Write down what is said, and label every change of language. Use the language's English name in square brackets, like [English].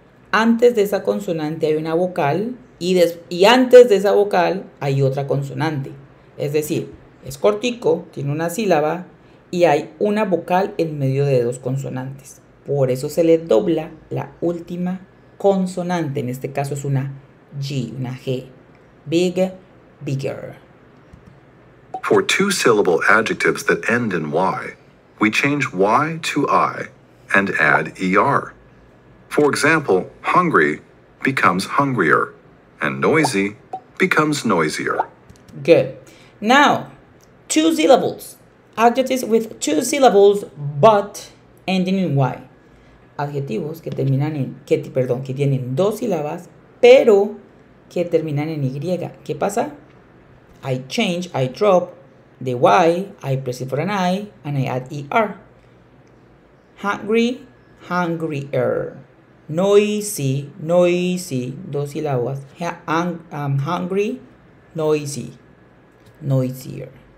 [Spanish] Antes de esa consonante hay una vocal y antes de esa vocal hay otra consonante. Es decir, es cortico, tiene una sílaba y hay una vocal en medio de dos consonantes. Por eso se le dobla la última consonante. En este caso es una G, una G. [English] Big, bigger. For two syllable adjectives that end in Y, we change Y to I and add ER. For example, hungry becomes hungrier and noisy becomes noisier. Good. Now, two syllables. Adjectives with two syllables but ending in Y. [Spanish] Adjetivos que terminan en, que tienen dos sílabas, pero que terminan en Y. ¿Qué pasa? [English] I change, I drop the Y, I press it for an I, and I add ER. Hungry, hungrier. Noisy, noisy, [Spanish] dos sílabas. [English] Hungry, noisy, noisier.